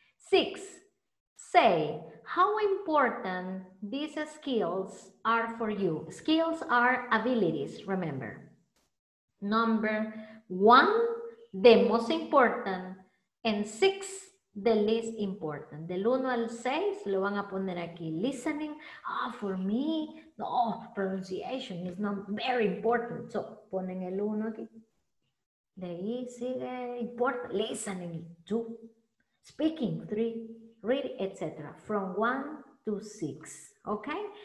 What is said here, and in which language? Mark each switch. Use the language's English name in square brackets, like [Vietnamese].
[English] Six, say how important these skills are for you. Skills are abilities, remember. Number one, the most important, and six, the least important. [Spanish] Del uno al seis, lo van a poner aquí. [English] Listening, for me, no, pronunciation is not very important. [Spanish] So, ponen el uno aquí. De ahí sigue important. [English] Listening, two. Speaking, three. Read, etc. From one to six. Okay?